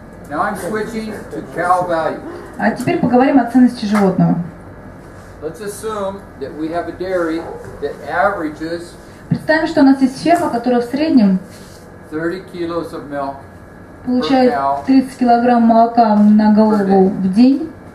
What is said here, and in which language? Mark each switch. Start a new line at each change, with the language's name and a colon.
English: Now I'm switching to cow value.
Russian: А теперь поговорим о ценности животного.
English: Let's assume that we have a dairy that averages.
Russian: Представим, что у нас есть ферма, которая в среднем
English: 30 kilos of milk.
Russian: Получает 30 килограмм молока на голову в день.